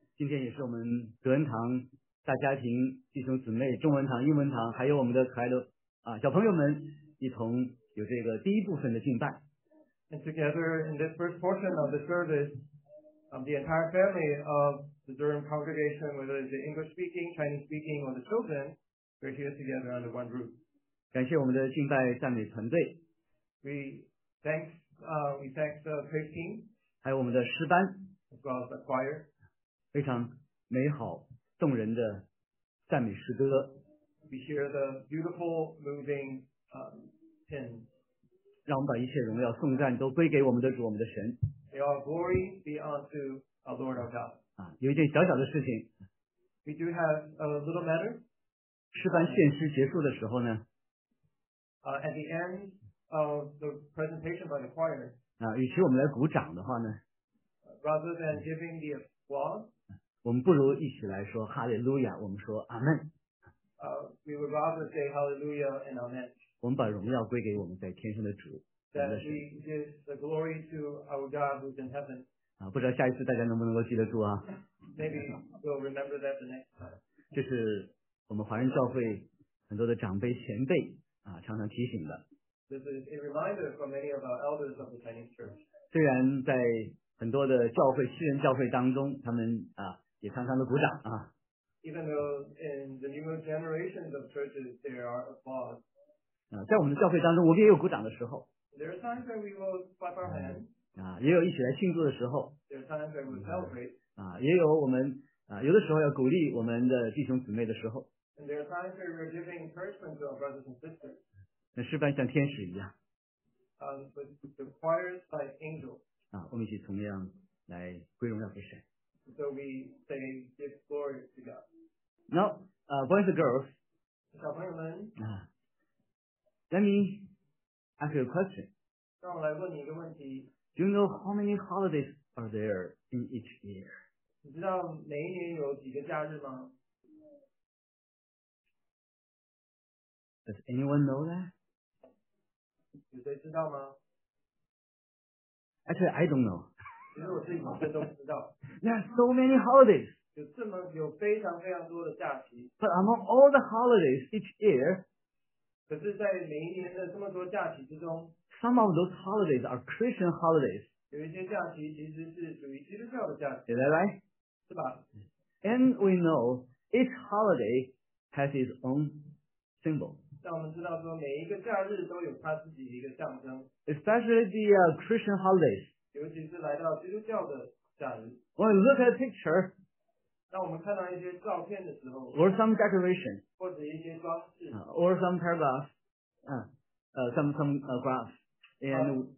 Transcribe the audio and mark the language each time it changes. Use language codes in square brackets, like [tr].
[zh] 今天也是我们德恩堂大家庭弟兄姊妹中文堂、英文堂，还有我们的可爱的啊小朋友们，一同有这个第一部分的敬拜。 [en] And together in this first portion of the service. The entire family of the Durham congregation, whether it's the English speaking, Chinese speaking, or the children, we're here together under one roof. [zh] 感谢我们的敬拜赞美团队。 [en] We thank the praise team. [zh] 还有我们的诗班。 [en] As well as the choir. [zh] 非常美好动人的赞美诗歌。 [en] We hear the beautiful moving, hymns. [zh] 让我们把一切荣耀颂赞都归给我们的主我们的神。 [en] May all glory be unto our Lord our God. [zh] 啊，有一件小小的事情。 [en] We do have a little matter. [zh] 诗班献诗结束的时候呢。 [en] At the end of the presentation by the choir. [zh] 啊，与其我们来鼓掌的话呢。 [en] Rather than giving the applause. [zh] 我们不如一起来说哈利路亚，我们说阿门。 [en] We would rather say hallelujah and amen. [zh] 我们把荣耀归给我们在天上的主。 [en] That we give the glory to our God who's in heaven. [zh] 啊，不知道下一次大家能不能够记得住啊 [en] ？Maybe we'll remember that the next time. [zh] 这是我们华人教会很多的长辈前辈啊常常提醒的。 [en] This is a reminder for many of our elders of the Chinese Church. [zh] 虽然在很多的教会西人教会当中，他们啊也常常的鼓掌啊。 [en] Even though in the newer generations of churches there are applause. [zh] 啊，在我们的教会当中，我们也有鼓掌的时候。 [en] There are times when we will clap our hands. [zh] 啊，也有一起来庆祝的时候。 [en] There are times when we celebrate. [zh] 啊，也有我们啊，有的时候要鼓励我们的弟兄姊妹的时候。 [en] And there are times when we are giving encouragement to our brothers and sisters. [zh] 那诗班像天使一样。 [en] But the choirs like angels. [zh] 啊，我们一起同样来归荣耀给神。 [en] So we say give glory to God. Now, boys and girls. [zh] 小朋友们。 [en] 啊 ，Let me. Ask you a question. [zh] 让我来问你一个问题。 [en] Do you know how many holidays are there in each year? [zh] 你知道每一年有几个假日吗？ [en] Does anyone know that? [zh] 有谁知道吗？ [en] Actually, I don't know. [zh] 其实我自己本身都不知道。 [en] There are so many holidays. [zh] 有这么有非常非常多的假期。 [en] But among all the holidays each year, [zh] 可是在每一年的这么多假期之中 [en] Some of those holidays are Christian holidays. [zh] 有一些假期其实是属于基督教的假期。对来来。是吧 [en] ?And we know each holiday has its own symbol. [zh] 但我们知道说每一个假日都有它自己的一个象征。 [en] Especially the Christian holidays. [zh] 尤其是来到基督教的假日。 [en] When we look at a picture, [zh] 当我们看到一些照片的时候 [en] or some decoration, [zh] 或者一些装饰 [en] or some paragraphs, some graphs, and